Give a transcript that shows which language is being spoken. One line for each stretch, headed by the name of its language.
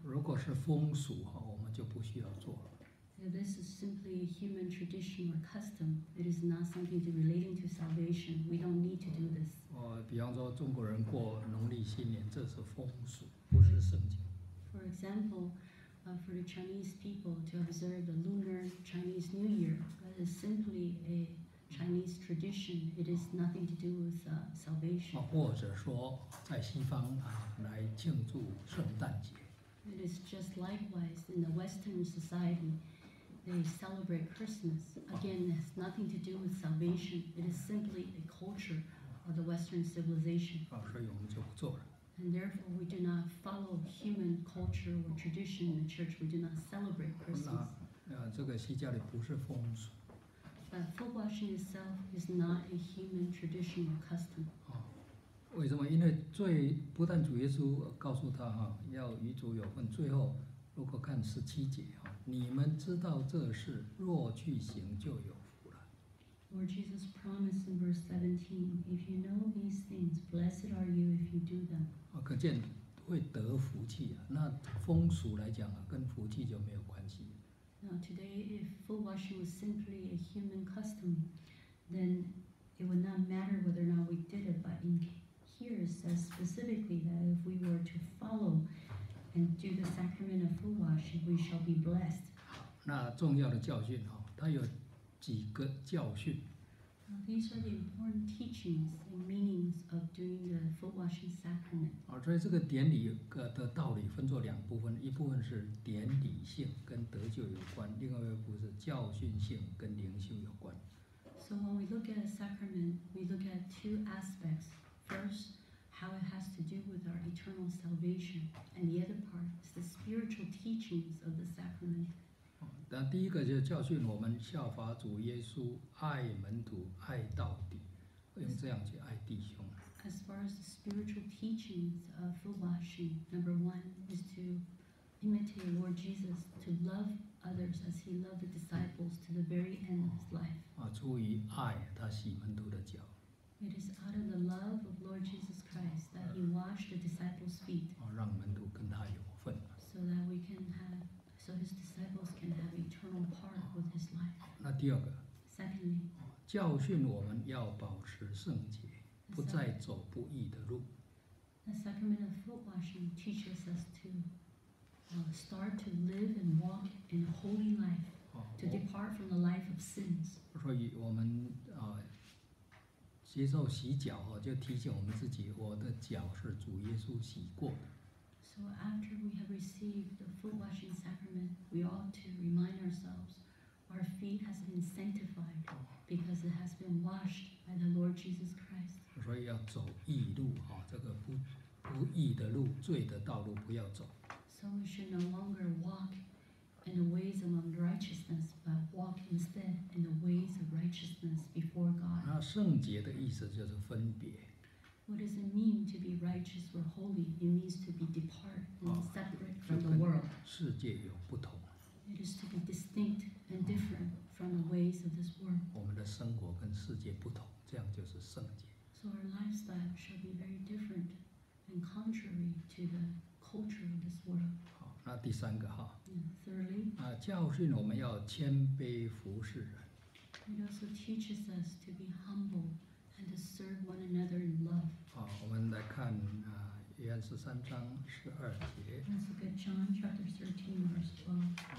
Chinese: 如果是风俗我们就不需要做了。
English: This is simply human tradition or custom. It is not something to relating to salvation. We don't need to do this.
Chinese: 比方说中国人过农历新年，这是风俗，不是圣经。
English: For example, for the Chinese people to observe the lunar Chinese New Year, that is simply a Chinese tradition. It is nothing to do with salvation.
Chinese: 或者说在西方来庆祝圣诞节。
English: It is just likewise in the Western society. They celebrate Christmas. Again, it has nothing to do with salvation. It is simply a culture of the Western civilization.
Chinese: 所以我们就不做了。
English: And therefore, we do not follow human culture or tradition in the church. We do not celebrate Christmas.
Chinese: 这个洗脚礼不是风俗。
English: But foot washing itself is not a human traditional custom.
Chinese: 为什么？因为最不但主耶稣告诉他哈，要与主有份。最后，如果看十七节哈，你们知道这事，若去行就有福了。
English: Lord Jesus promised in verse 17, "If you know these things, blessed are you if you do them."
Chinese: 可见会得福气啊。那风俗来讲啊，跟福气就没有关系。
English: Now today, if foot washing was simply a human custom, then it would not matter whether or not we did it. But in here, it says specifically that if we were to follow and do the sacrament of foot washing, we shall be blessed.
Chinese: 那重要的教训哦，它有几个教训。
English: Now, these are the important teachings and meanings of doing the foot washing sacrament.
Chinese: 所以这个典礼的道理分作两部分，一部分是典礼性跟得救有关，另外一部分是教训性跟灵修有关。
English: So when we look at a sacrament, we look at two aspects. First, how it has to do with our eternal salvation, and the other part is the spiritual teachings of the sacrament.
Chinese: 那第一个就是教训我们效法主耶稣，爱门徒，爱到底，用这样去爱弟兄。
English: As far as the spiritual teachings of foot washing, number one is to imitate Lord Jesus to love others as He loved the disciples to the very end of His life.
Chinese: 出于爱，他洗门徒的脚。
English: It is out of the love of Lord Jesus Christ that He washed the disciples' feet.
Chinese: 让门徒跟他有份。
English: So that we can have. So his disciples can have eternal part with his life.
Chinese: 那第二个
English: Secondly,
Chinese: 教训我们要保持圣洁，不再走不义的路。
English: The sacrament of foot washing teaches us to start to live and walk in a holy life, to depart from the life of sins.
Chinese: 所以我们接受洗脚就提醒我们自己，我的脚是主耶稣洗过的。
English: So after we have received the foot washing sacrament, we ought to remind ourselves, our feet has been sanctified because it has been washed by the Lord Jesus Christ.
Chinese: 所以要走义路啊，这个不义的路，罪的道路不要走。
English: So we should no longer walk in the ways of unrighteousness, but walk instead in the ways of righteousness before God.
Chinese: 那圣洁的意思就是分别。
English: What does it mean to be righteous or holy? It means to be depart and separate from the world.
Chinese: 世界有不同。
English: It is to be distinct and different from the ways of this world.
Chinese: 我们的生活跟世界不同，这样就是圣洁。
English: So our lifestyle shall be very different and contrary to the culture of this world.
Chinese: 好，那第三个哈。
English: Thirdly.
Chinese: 教训我们要谦卑服侍人。
English: It also teaches us to be humble. And to serve one another in love.
Chinese: 好，我们来看啊，约翰十三章十二节。
English: Let's look at John chapter 13, verse 12.